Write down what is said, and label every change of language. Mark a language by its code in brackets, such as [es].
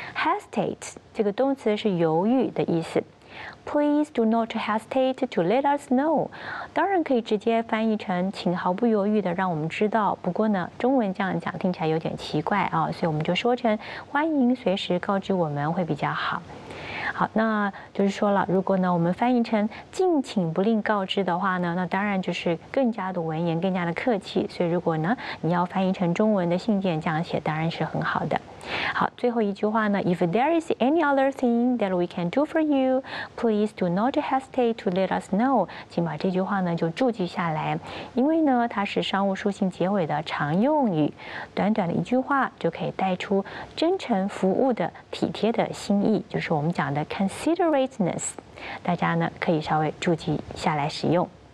[zh] Hesitate 这个动词是犹豫的意思， [en] Please do not hesitate to let us know [zh] 当然可以直接翻译成请毫不犹豫的让我们知道，不过呢中文这样讲听起来有点奇怪啊，所以我们就说成欢迎随时告知我们会比较好。好，那就是说了，如果呢我们翻译成敬请不吝告知的话呢，那当然就是更加的文言，更加的客气，所以如果呢你要翻译成中文的信件这样写当然是很好的。好，最后一句话呢， [en] If there is any other thing that we can do for you, please do not hesitate to let us know. [zh] 请把这句话呢就注记下来，因为呢它是商务书信结尾的常用语，短短的一句话就可以带出真诚服务的体贴的心意，就是我们讲的 considerateness， 大家呢可以稍微注记下来使用。